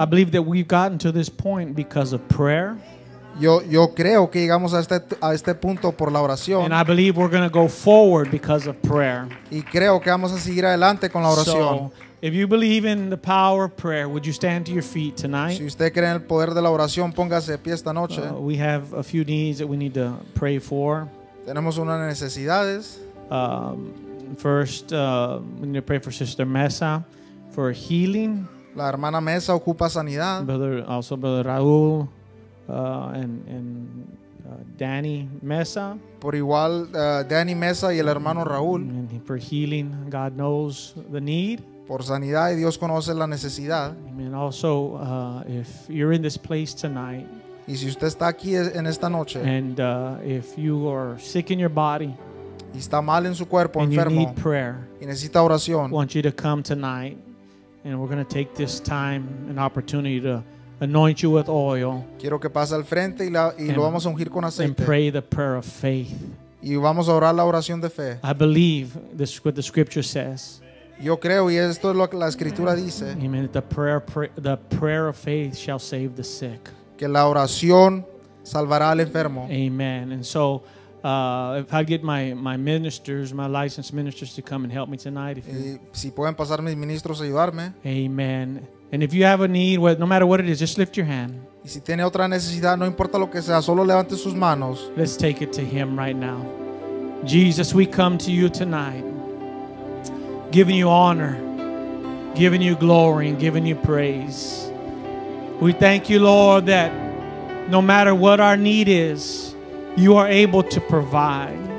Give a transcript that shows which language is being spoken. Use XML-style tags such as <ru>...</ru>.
<en>I believe that we've gotten to this point because of prayer.</en> <es>Yo creo que llegamos a este punto por la oración.</es> <en>And I believe we're going to go forward because of prayer.</en> <es>Y creo que vamos a seguir adelante con la oración.</es> <en>So, if you believe in the power of prayer, would you stand to your feet tonight?</en> <es>Si usted cree en el poder de la oración, póngase de pie esta noche.</es> <en>We have a few needs that we need to pray for.</en> <es>Tenemos unas necesidades.</es> <en>First, we need to pray for Sister Mesa. For healing.</en> <es>La hermana Mesa ocupa sanidad.</es> <en>Brother Raúl and Danny Mesa.</en> <es>Por igual, Danny Mesa y el hermano Raúl.</es> <en>And for healing, God knows the need.</en> <es>Por sanidad, y Dios conoce la necesidad.</es> <en>And also, if you're in this place tonight.</en> <es>Y si usted está aquí en esta noche.</es> <en>And if you are sick in your body.</en> <es>Y está mal en su cuerpo,</es> <en>and</en> <es>enfermo.</es> <en>You need prayer.</en> <es>Y necesita oración.</es> <en>I want you to come tonight. And we're going to take this time and opportunity to anoint you with oil.</en> <es>Quiero que pase al frente y lo vamos a ungir con aceite.</es> <en>And pray the prayer of faith.</en> <es>Y vamos a orar la oración de fe.</es> <en>I believe this is what the scripture says.</en> <es>Yo creo y esto es lo que la escritura dice.</es> <en>Amen. The prayer of faith shall save the sick.</en> <es>Que la oración salvará al enfermo.</es> <en>Amen. And so If I get my ministers, my licensed ministers to come and help me tonight. If</en> <es>si pueden pasar mis ministros a ayudarme. Amen.</es> <en>And if you have a need, no matter what it is, just lift your hand.</en> <es>Y si tiene otra necesidad, no importa lo que sea, solo levante sus manos.</es> <en>Let's take it to Him right now. Jesus, we come to you tonight, giving you honor, giving you glory, and giving you praise. We thank you, Lord, that no matter what our need is, you are able to provide.</en>